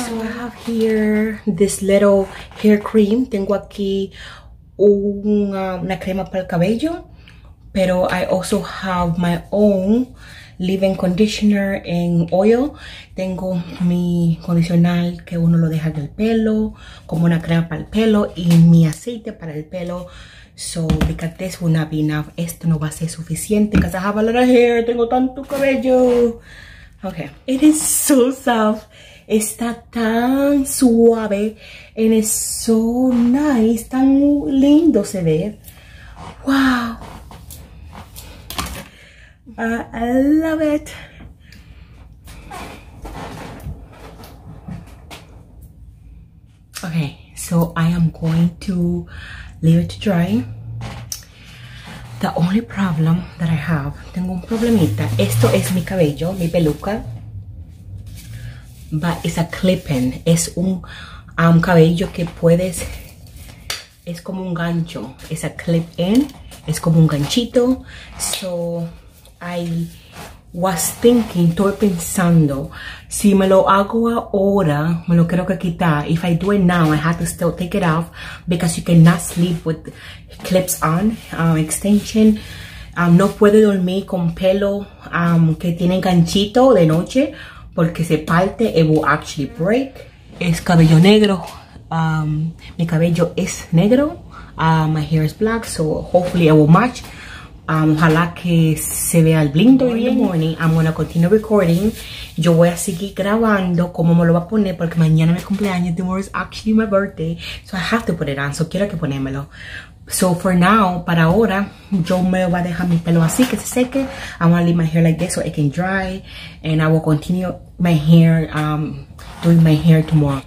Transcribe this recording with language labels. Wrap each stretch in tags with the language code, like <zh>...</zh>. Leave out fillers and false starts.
<en>So I have here this little hair cream.</en> <es>Tengo aquí una crema para el cabello.</es> <en>Pero I also have my own leave-in conditioner and oil.</en> <es>Tengo mi condicional que uno lo deja en el pelo, como una crema para el pelo y mi aceite para el pelo.</es> <en>So, because this will not be enough.</en> <es>Esto no va a ser suficiente</es> <en>because I have a lot of hair.</en> <es>Tengo tanto cabello. Okay.</es> <en>It is so soft.</en> <es>Está tan suave.</es> <en>And it's so nice.</en> <es>Tan lindo se ve.</es> <en>Wow. I love it. Okay, so I am going to leave it to dry. The only problem that I have,</en> <es>tengo un problemita. Esto es mi cabello, mi peluca.</es> <en>But it's a clipping.</en> <es>Es un cabello que puedes, es como un gancho.</es> <en>It's a clip-in.</en> <es>Es como un ganchito.</es> <en>So I was thinking,</en> <es>estoy pensando, si me lo hago ahora, me lo quiero que quitar.</es> <en>If I do it now, I have to still take it off because you cannot sleep with clips on, extension.</en> <es>No puede dormir con pelo que tiene ganchito de noche porque se parte,</es> <en>it will actually break.</en> <es>Es cabello negro. Mi cabello es negro.</es> <en>My hair is black, so hopefully it will match.</en> <es>Ojalá que se vea el lindo</es> <en>in the morning. I'm gonna continue recording.</en> <es>Yo voy a seguir grabando cómo me lo va a poner porque mañana es mi cumpleaños.</es> <en>Tomorrow is actually my birthday, so I have to put it on. So</en> <es>quiero que ponérmelo.</es> <en>So for now,</en> <es>para ahora, yo me voy a dejar mi pelo así que se seque.</es> <en>I'm gonna leave my hair like this so it can dry, and I will continue my hair doing my hair tomorrow.</en>